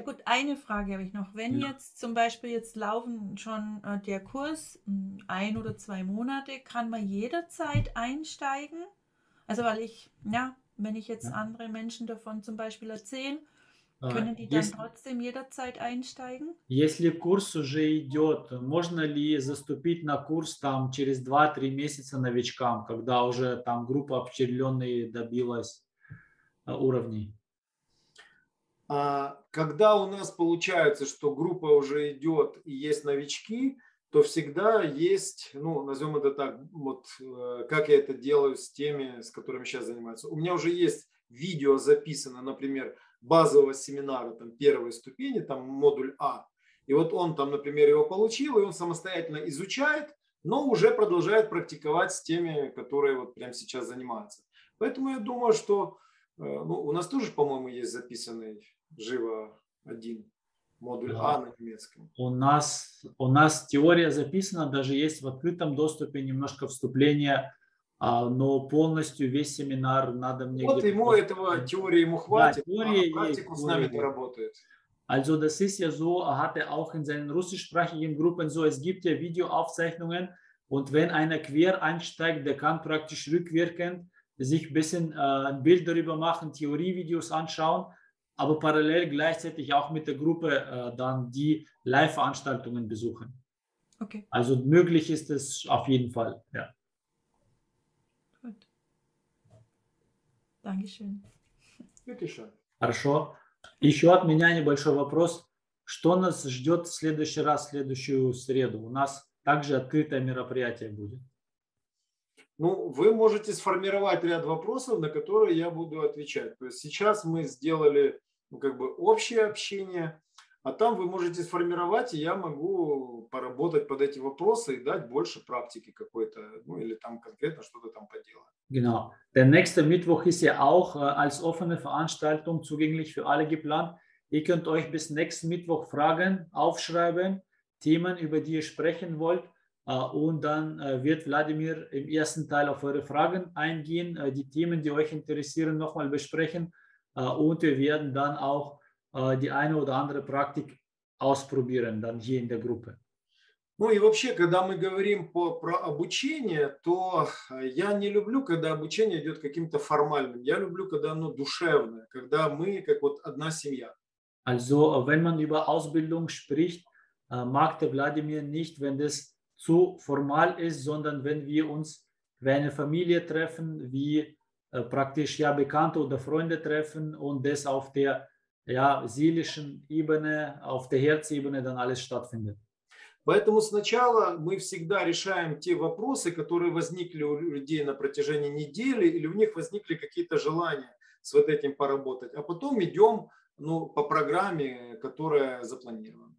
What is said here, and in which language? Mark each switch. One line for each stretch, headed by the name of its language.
German: gut, eine Frage habe ich noch. Wenn jetzt zum Beispiel jetzt laufen schon der Kurs ein oder zwei Monate, kann man jederzeit einsteigen? Also weil ich, ja, wenn ich jetzt andere Menschen davon zum Beispiel erzähle, können die dann trotzdem jederzeit einsteigen?
Russian: Если курс уже идет, можно ли заступить на курс там через 2-3 месяца новичкам, когда уже там группа определенная добилась уровней? Когда у нас получается, что группа уже идет и есть новички, то всегда есть, ну, назовем это так, вот как я это делаю с теми, с которыми сейчас занимаются. У меня уже есть видео записано, например, базового семинара, там, первой ступени, там, модуль А. И вот он там, например, его получил, и он самостоятельно изучает, но уже продолжает практиковать с теми, которые вот прямо сейчас занимаются. Поэтому я думаю, что ну, у нас тоже, по-моему, есть записанный живо один модуль А на немецком. У нас теория записана, даже есть в открытом доступе немножко вступления, но полностью весь семинар надо мне... Вот ему просто... этого теории ему хватит, да, теория, а на практику есть, с нами не работает.
German: Also das ist ja so, er hatte auch in seinen russischsprachigen Gruppen so, es gibt ja Videoaufzeichnungen und wenn einer quer einsteigt, der kann praktisch rückwirkend sich ein bisschen ein Bild darüber machen, Theorievideos anschauen, aber parallel gleichzeitig auch mit der Gruppe dann die Live-Veranstaltungen besuchen. Okay. Also möglich ist es auf jeden Fall, ja. Gut. Dankeschön. Bitteschön.
Russian: Хорошо. Еще от меня небольшой вопрос. Что нас ждет в следующий раз, в следующую среду? У нас также открытое мероприятие будет. Ну, вы можете сформировать ряд вопросов, на которые я буду отвечать. То есть сейчас мы сделали, ну, как бы общее общение, а там вы можете сформировать, и я могу поработать под эти вопросы и дать больше практики какой-то, ну, или там конкретно что-то там поделать.
German: Genau. Der nächste Mittwoch ist ja auch als offene Veranstaltung zugänglich für alle geplant. Ihr könnt euch bis nächsten Mittwoch Fragen aufschreiben, Themen, über die ihr sprechen wollt. Und dann wird Wladimir im ersten Teil auf eure Fragen eingehen, die Themen, die euch interessieren, nochmal besprechen. Und wir werden dann auch die eine oder andere Praktik ausprobieren, dann hier in der Gruppe.
Russian: Ну и вообще, когда мы говорим про обучение, то я не люблю, когда обучение идет каким-то формальным. Я люблю, когда оно душевное, когда мы как вот одна семья.
German: Also, wenn man über Ausbildung spricht, mag der Wladimir nicht, wenn das zu formal ist, sondern wenn wir uns wie eine Familie treffen, wie praktisch ja Bekannte oder Freunde treffen und das auf der ja, seelischen Ebene, auf der Herzebene dann alles stattfindet.
Russian: Поэтому сначала мы всегда решаем те вопросы, которые возникли у людей на протяжении недели, или у них возникли какие-то желания с вот этим поработать, а потом идем, ну, по программе, которая запланирована.